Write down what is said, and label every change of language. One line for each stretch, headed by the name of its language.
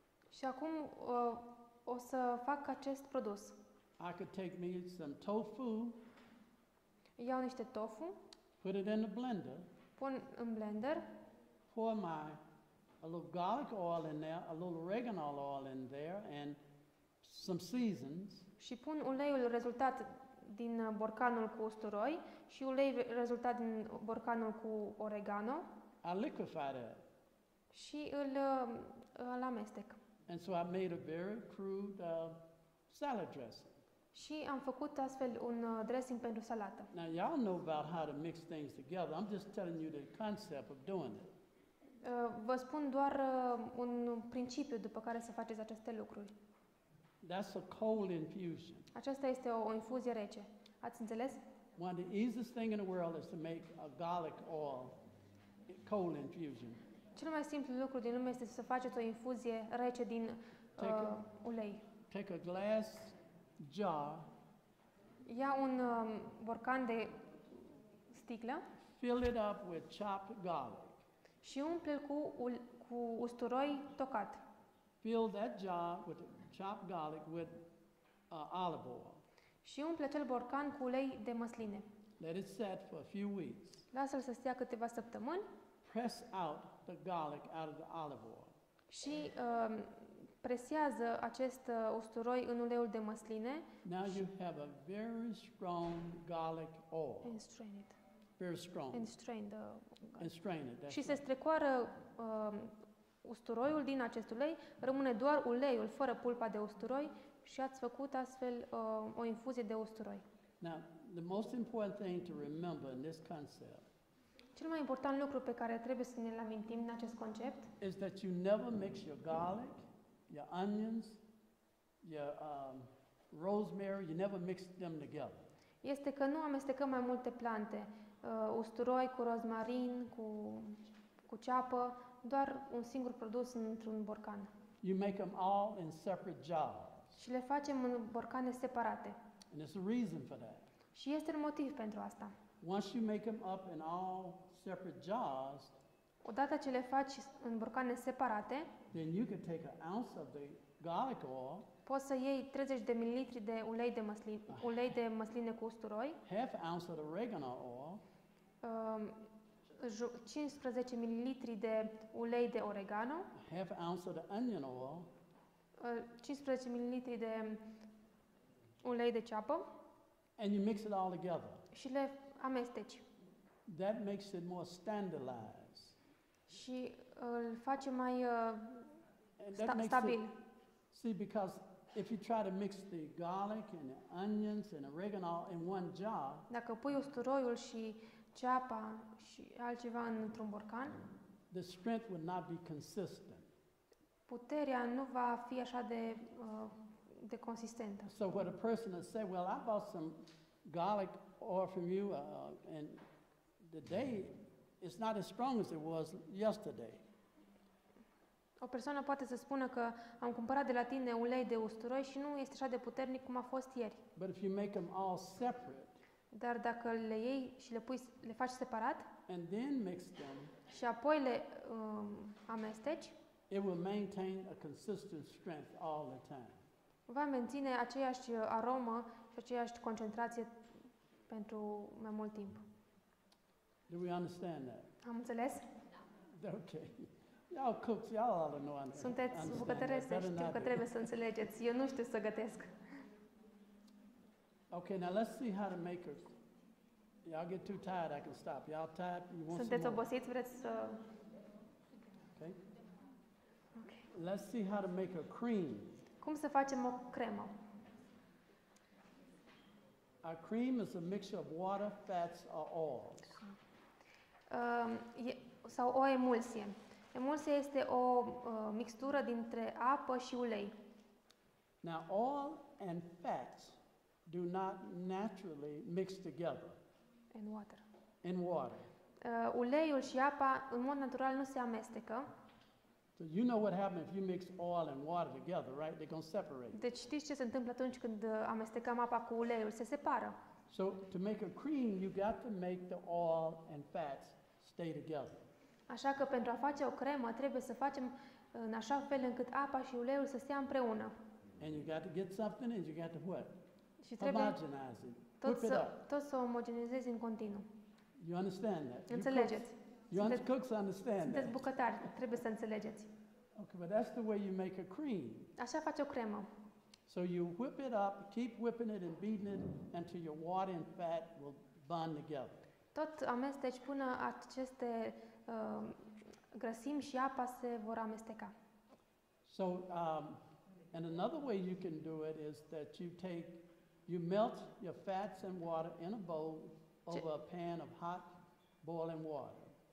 Romanian: Și acum o să fac acest produs.
English: I could take me some tofu.
Romanian: Iau niște tofu.
English: Put it in a blender.
Romanian: Pun în blender.
English: Pour a little garlic oil in there, a little oregano oil in there, and some seasons.
Romanian: Și pun uleiul rezultat din borcanul cu usturoi și uleiul rezultat din borcanul cu oregano.
English: I liquefy that.
Romanian: Și îl amestec.
English: And so I made a very crude salad dressing.
Romanian: Și am făcut astfel un dressing pentru salată.
English: Now y'all know about how to mix things together. I'm just telling you the concept of doing it.
Romanian: Vă spun doar un principiu după care să faceți aceste lucruri.
English: That's a cold infusion.
Romanian: Aceasta este o infuzie rece. Ați înțeles?
English: One of the easiest thing in the world is to make a garlic oil cold infusion.
Romanian: Cel mai simplu lucru din lume este să faceți o infuzie rece din ulei.
English: Take a glass jar.
Romanian: Ia un borcan de sticlă.
English: Fill it up with chopped garlic.
Romanian: Și umple-l cu usturoi tocat.
English: Fill that jar with chopped garlic with olive oil.
Romanian: Și umple acel borcan cu ulei de măsline.
English: Let it set for a few weeks.
Romanian: Lasă-l să stea câteva săptămâni.
English: Press out the garlic out of the olive oil.
Romanian: Și presează acest usturoi în uleiul de măsline.
English: Now you have a very strong garlic oil. And strain it. Very strong. And strain the garlic. And strain it.
Romanian: Și se strecoară usturoiul din acest ulei, rămâne doar uleiul fără pulpa de usturoi și ați făcut astfel o infuzie de usturoi.
English: Now, the most important thing to remember in this concept.
Romanian: Cel mai important lucru pe care trebuie să ne-l amintim în acest concept
English: is that you never mix your garlic, your onions, your rosemary, you never mix them together.
Romanian: Este că nu amestecăm mai multe plante, usturoi cu rozmarin, cu ceapă, doar un singur produs într-un borcan.
English: You make them all in separate jars.
Romanian: Și le facem în borcane separate.
English: And there's a reason for that.
Romanian: Și este un motiv pentru asta.
English: Once you make them up in all separate jars,
Romanian: odată ce le faci în borcane separate,
English: then you can take an ounce of the garlic oil.
Romanian: Poți să iei 30 de mililitri de ulei de măsline, ulei de măsline cu usturoi.
English: Half ounce of oregano oil.
Romanian: 15 mililitri de ulei de oregano.
English: Half ounce of the onion oil.
Romanian: 15 mililitri de ulei de ceapă.
English: And you mix it all together.
Romanian: Și le amesteci.
English: That makes it more standardized.
Romanian: Și îl face mai stabil.
English: See, because if you try to mix the garlic and the onions and oregano in one jar,
Romanian: dacă pui usturoiul și ceapa și altceva într-un borcan,
English: the strength would not be consistent.
Romanian: Puterea nu va fi așa de consistentă.
English: So what a person has said, well, I bought some garlic oil from you and today it's not as strong as it was yesterday.
Romanian: O persoană poate să spună că am cumpărat de la tine ulei de usturoi și nu este așa de puternic cum a fost ieri.
English: But if you make them all separate,
Romanian: dar dacă le iei și le pui, le faci separat
English: and then mix them,
Romanian: și apoi le amesteci,
English: it will maintain a consistent strength all the time.
Romanian: Va menține aceeași aromă și aceeași concentrație pentru mai mult timp.
English: Do we understand that?
Romanian: Am înțeles?
English: Okay. Y'all cooks, y'all ought to know.
Romanian: Sunteți bucătărese, știu că trebuie să înțelegeți. Eu nu știu să gătesc.
English: Okay, now let's see how to make her. Y'all get too tired, I can stop. Y'all tired, you want
Romanian: sunteți
English: some more.
Romanian: Sunteți obosiți, vreți să...
English: Okay. Okay. Let's see how to make her cream.
Romanian: Cum să facem o cremă?
English: A cream is a mixture of water, fats, or oils.
Romanian: Sau o emulsie. Emulsia este o mixtură dintre apă și ulei.
English: Now, oil and fats do not naturally mix together. In water. In water.
Romanian: Uleiul și apa în mod natural nu se amestecă.
English: So you know what happens if you mix oil and water together, right? They're going to separate.
Romanian: Deci știți ce se întâmplă atunci când amestecăm apa cu uleiul? Se separă.
English: So to make a cream, you got to make the oil and fats stay together.
Romanian: Așa că pentru a face o cremă trebuie să facem în așa fel încât apa și uleiul să stea împreună.
English: And you got to get something and you got to what?
Romanian: Și trebuie
English: homogenize it.
Romanian: Tot să omogenizezi în continuu.
English: You understand that?
Romanian: Înțelegeți.
English: You cooks, cooks understand.
Romanian: Sunteți bucătari, trebuie să înțelegeți.
English: Okay, but that's the way you make a cream.
Romanian: Așa faci o cremă.
English: So you whip it up, keep whipping it and beating it until your water and fat will bond together.
Romanian: Tot amesteci până aceste grăsimi și apa se vor amesteca.
English: So and another way you can do it is that you take You melt your fats and water in a bowl over a pan of hot boiling water.